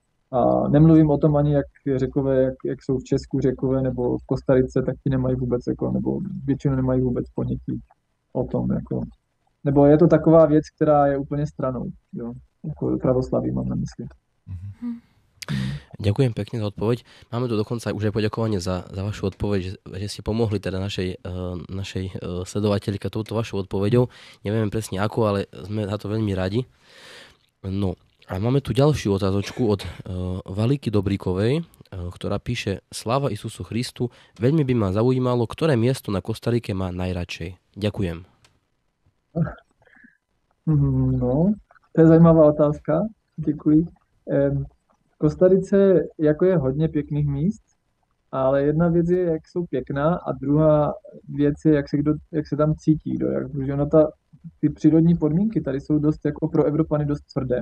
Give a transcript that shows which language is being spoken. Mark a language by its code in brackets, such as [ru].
[cs] A nemluvím o tom ani, jak Řekové, jak jsou v Česku Řekové nebo v Kostarice, tak ti nemají vůbec, jako, nebo většinou nemají vůbec ponětí o tom. Jako. Nebo je to taková věc, která je úplně stranou, jo? Jako pravoslaví mám na mysli. [sk] Ďakujem pekne za odpoveď. Máme tu dokonca aj už aj poďakovanie za vašu odpoveď, že ste pomohli teda našej sledovateľke touto vašou odpoveďou. Neviem presne ako, ale sme za to veľmi radi. No a máme tu ďalšiu otázočku od Valiky Dobríkovej, ktorá píše: Sláva Isusu Christu, veľmi by ma zaujímalo, ktoré miesto na Kostarike má najradšej. Ďakujem. [cs] No, to je zajímavá otázka. Děkuji. Kostarice jako je hodně pěkných míst, ale jedna věc je, jak jsou pěkná, a druhá věc je, jak se tam cítí. Protože ono ty přírodní podmínky tady jsou dost jako pro Evropany dost tvrdé.